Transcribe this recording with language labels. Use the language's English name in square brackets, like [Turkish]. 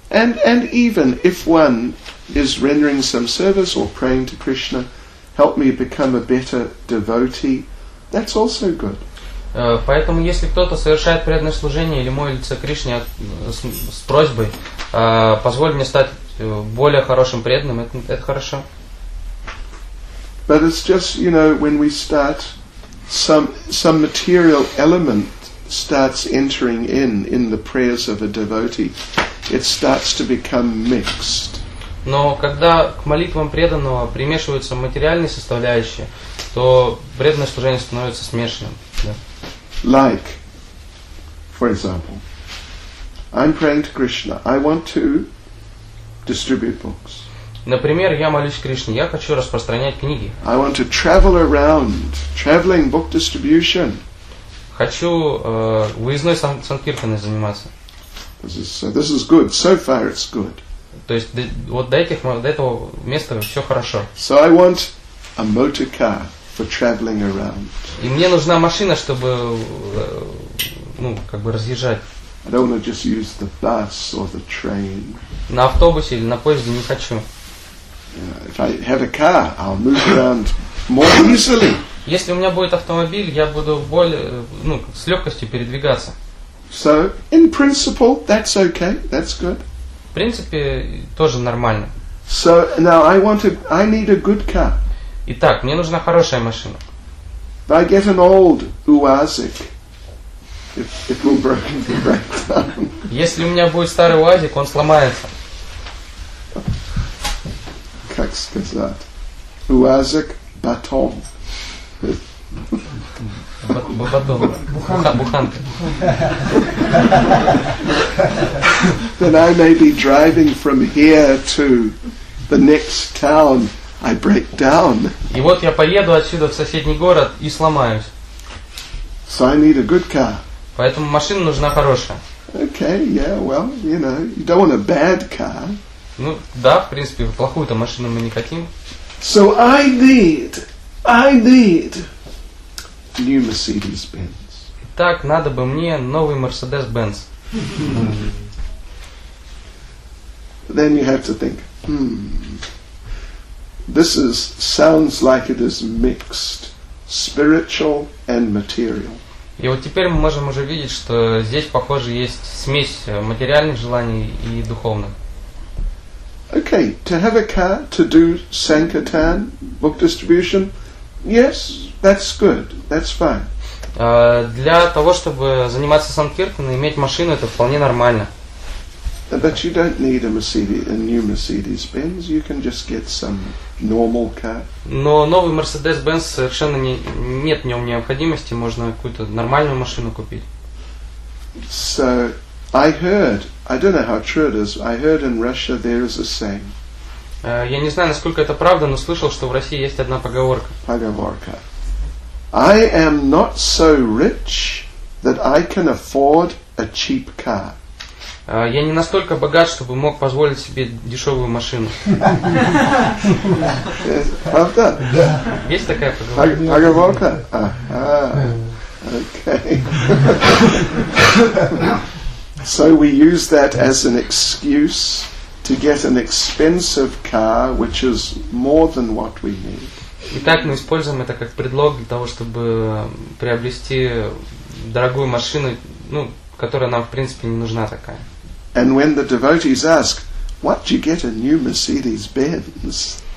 [English] And even if one is rendering some service or praying to Krishna, help me become a better devotee, that's also good. [Russian] Поэтому, если кто-то совершает преданное служение или молится Кришне с просьбой, позволь мне стать более хорошим преданным, это хорошо. [English] But it's just, you know, when we start, some material element starts entering in the prayers of a devotee, it starts to become mixed. [Russian] Но когда к молитвам преданного примешиваются материальные составляющие, то преданное служение становится смешанным. [English] Like, for example, I'm praying to Krishna. I want to distribute books. [Russian] Например, я молюсь Кришне, я хочу распространять книги. [English] I want to travel around, traveling book distribution. [Russian] Хочу выездной санкиртаной заниматься. [English] This is good. So far, it's good. [Russian] То есть вот до этого места все хорошо. [English] So I want a motor car. For traveling around. [Russian] И мне нужна машина, чтобы, ну, как бы разъезжать. [English] I don't want to just use the bus or the train. [Russian] На автобусе или на поезде не хочу. [English] Yeah, if I have a car, I'll move around more easily. [Russian] Если у меня будет автомобиль, я буду более, ну, с легкостью передвигаться. [English] So, in principle, that's okay. That's good. [Russian] В принципе, тоже нормально. [English] So now I need a good car. [Russian] Итак, мне нужна хорошая машина. [English] But I get an old Уазик. It will break down. [Russian] Если у меня будет старый Уазик, он сломается. Как сказать? Уазик батон. Батон. Буханка. [English] Then I may be driving from here to the next town. I break down. [Russian] И вот я поеду отсюда в соседний город и сломаюсь. [English] So I need a good car. [Russian] Поэтому машина нужна хорошая. [English] Okay, yeah, well, you know, you don't want a bad car. [Russian] Ну да, в принципе, плохую-то машину мы не хотим. [English] So I need new Mercedes-Benz. [Russian] Итак, надо бы мне новый Mercedes-Benz. [English] Then you have to think, This is sounds like it is mixed, spiritual and material. [Russian] И вот теперь мы можем уже видеть, что здесь, похоже, есть смесь материальных желаний и духовных. [English] Okay, to have a car, to do sankirtan, book distribution, yes, that's good, that's fine. [Russian] Для того, чтобы заниматься санкиртаной, иметь машину, это вполне нормально. [English] But you don't need a new Mercedes-Benz. You can just get some normal car. [Russian] Но новый Mercedes-Benz совершенно нет в нем необходимости. Можно какую-то нормальную машину купить. [English] So I heard. I don't know how true it is. I heard in Russia there is a saying. [Russian] Я не знаю, насколько это правда, но слышал, что в России есть одна поговорка. Поговорка. [English] I am not so rich that I can afford a cheap car. [Russian] Я не настолько богат, чтобы мог позволить себе дешевую машину. Правда? Да. Есть такая поговорка? Поговорка? Окей. [English] So we use that as an excuse to get an expensive car, which is more than what we need. [Russian] Итак, мы используем это как предлог для того, чтобы приобрести дорогую машину, ну, которая нам, в принципе, не нужна такая. [English] And when the devotees ask, "Why did you get a new Mercedes-Benz?"